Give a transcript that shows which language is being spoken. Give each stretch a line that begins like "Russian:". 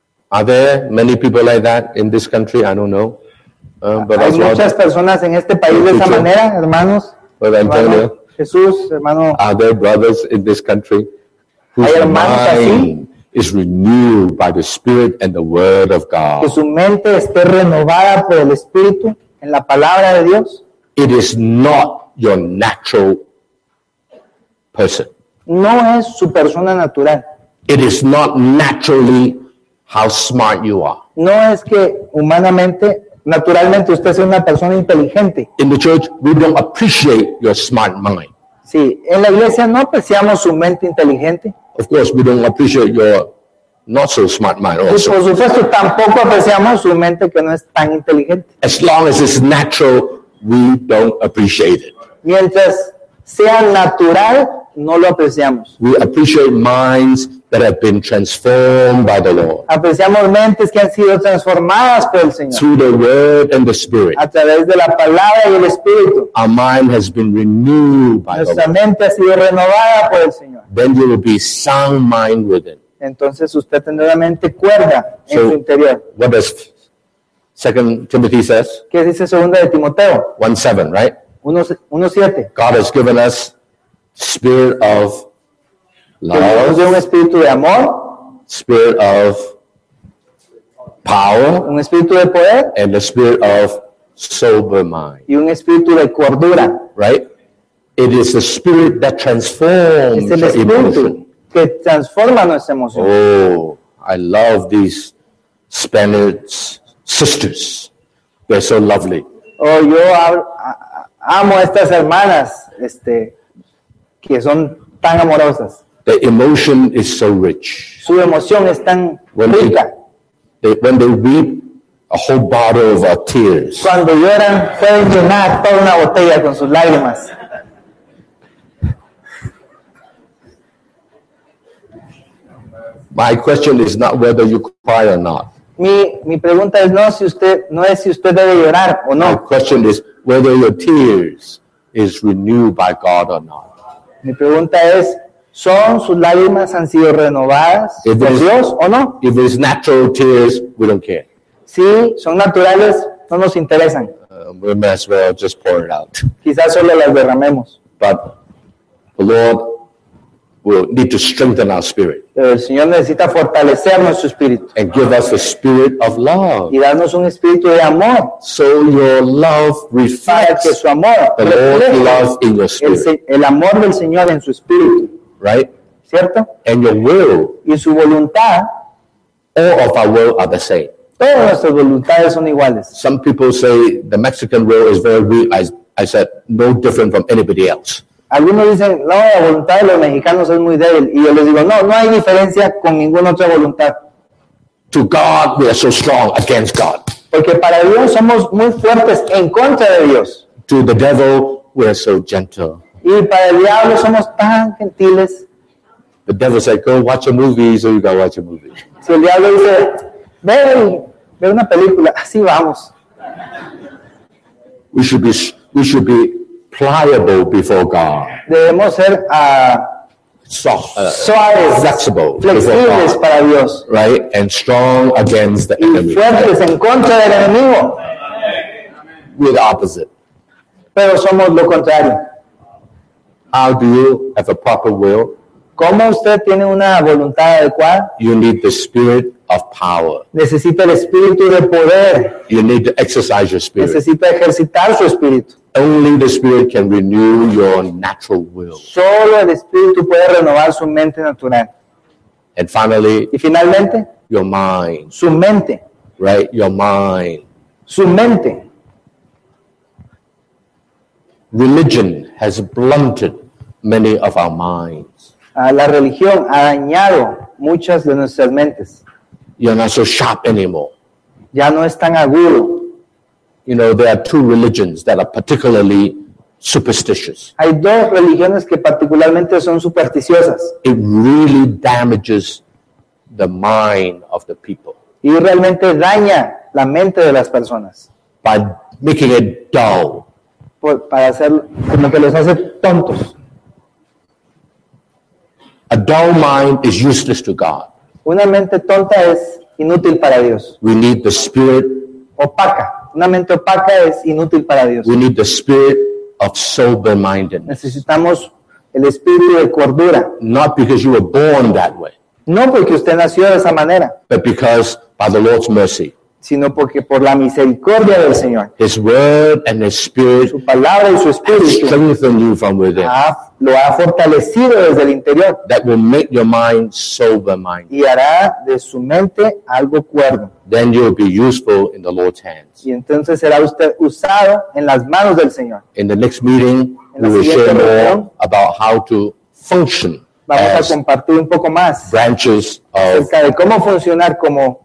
English: Are there many people like that in this country? I don't know. But
Spanish: hay muchas personas en este país de esa manera, hermanos.
English: Well, Antonio,
Spanish: Jesús, hermano.
English: Are there brothers in this country whose mind is renewed by the Spirit and the Word of God?
Spanish: Que su mente esté renovada por el Espíritu en la palabra de Dios.
English: It is not your natural person.
Spanish: No es su persona natural.
English: It is not naturally how smart you are.
Spanish: No es que humanamente, naturalmente usted sea una persona inteligente.
English: In the church, we don't appreciate your smart mind.
Spanish: Sí, en la iglesia no apreciamos su mente inteligente.
English: Of course, we don't appreciate your not so smart mind also.
Spanish: Por supuesto, tampoco apreciamos su mente que no es tan inteligente.
English: As long as it's natural, we don't appreciate it.
Spanish: Mientras sea natural, no lo apreciamos.
English: We appreciate minds that have been transformed by the Lord.
Spanish: Apreciamos mentes que han sido transformadas por el Señor.
English: Through the Word and the Spirit.
Spanish: A través de la palabra y el Espíritu.
English: Our mind has been renewed by the Lord.
Spanish: Nuestra mente ha sido renovada por el Señor.
English: Then you will be sound mind within.
Spanish: Entonces usted tendrá la mente cuerda en su interior.
English: What does 2 Timothy says?
Spanish: ¿Qué dice 2 de Timoteo?
English: 1:7, right? 1:7. God has given us spirit of love,
Spanish: de un espíritu de amor,
English: spirit of power,
Spanish: un espíritu de poder,
English: and the spirit of sober mind,
Spanish: y un espíritu de cordura.
English: Right? It is the spirit that transforms the emotion.
Spanish: Que transforma nuestra emoción.
English: Oh, I love these Spanish sisters. They're so lovely.
Spanish: Oh, yo amo a estas hermanas, que son tan amorosas.
English: The emotion is so rich.
Spanish: Su emoción es tan rica.
English: When they weep, a whole bottle of our tears.
Spanish: Cuando lloran, pueden llenar toda una botella con sus lágrimas.
English: My question is not whether you cry or not.
Spanish: Mi pregunta es no si usted no es si usted debe llorar o no.
English: My question is whether your tears is renewed by God or not.
Spanish: Mi pregunta es son sus lágrimas han sido renovadas por Dios o no.
English: If it's natural tears, we don't care.
Spanish: Si son naturales, no nos interesan.
English: We may as well just pour it out.
Spanish: Quizás solo las derramemos.
English: But the Lord will need to strengthen our spirit.
Spanish: El Señor necesita fortalecer nuestro espíritu.
English: And give us the spirit of love.
Spanish: Y darnos un espíritu de amor.
English: So your love reflects
Spanish: que su amor
English: the Lord's love in your spirit.
Spanish: El amor del Señor en su espíritu.
English: Right?
Spanish: ¿Cierto?
English: And your will.
Spanish: Y su voluntad.
English: All of our will are the same.
Spanish: Todas nuestras voluntades son iguales.
English: Some people say the Mexican will is very weak. I said no different from anybody else.
Spanish: Algunos dicen, no, la voluntad de los mexicanos es muy débil. Y yo les digo, no, no hay diferencia con ninguna otra voluntad.
English: To God, we are so strong against God.
Spanish: Porque para Dios somos muy fuertes en contra de Dios.
English: To the devil, we are so gentle.
Spanish: Y para el diablo somos tan gentiles.
English: The devil said, go watch a movie, so you go watch a movie.
Spanish: Si el diablo dice, ve una película, así vamos.
English: We should be pliable before God.
Spanish: Debemos ser suaves,
English: flexible,
Spanish: flexibles para Dios,
English: right? And strong against the enemy.
Spanish: Fuertes en contra del enemigo.
English: We're the opposite.
Spanish: Pero somos lo contrario.
English: How do you have a proper will?
Spanish: ¿Cómo usted tiene una voluntad adecuada?
English: You need the spirit of power.
Spanish: Necesita el espíritu de poder.
English: You need to exercise your spirit.
Spanish: Necesita ejercitar su espíritu.
English: Only the spirit can renew your natural will.
Spanish: Solo el espíritu puede renovar su mente natural.
English: And finally,
Spanish: y finalmente,
English: your mind.
Spanish: Su mente.
English: Right, your mind.
Spanish: Su mente.
English: Religion has blunted many of our minds.
Spanish: La religión ha dañado muchas de nuestras mentes.
English: You're not so sharp anymore.
Spanish: Ya no es tan agudo.
English: You know, there are two religions that are particularly superstitious.
Spanish: Hay dos religiones que particularmente son supersticiosas.
English: It really damages the mind of the people.
Spanish: Y realmente daña la mente de las personas.
English: By making it dull.
Spanish: Para hacer como que los hace tontos.
English: A dull mind is useless to God.
Spanish: Una mente tonta es inútil para Dios.
English: We need the spirit
Spanish: opaca. Una mente opaca es inútil para Dios.
English: We need the spirit of sober-mindedness.
Spanish: Necesitamos el espíritu de cordura.
English: Not because you were born that way.
Spanish: No porque usted nació de esa manera.
English: But because by the Lord's mercy.
Spanish: Sino porque por la misericordia del Señor.
English: His word and his spirit.
Spanish: Su palabra y su espíritu.
English: Strengthen you from within.
Spanish: Lo ha fortalecido desde el interior.
English: That will make your mind sober-minded.
Spanish: Y hará de su mente algo cuerdo.
English: Then you'll be useful in the Lord's hands.
Spanish: Y entonces será usted usado en las manos del Señor.
English: In the next meeting, we will share more about how to function.
Spanish: Vamos a compartir un poco más.
English: Branches of
Spanish: acerca de cómo funcionar como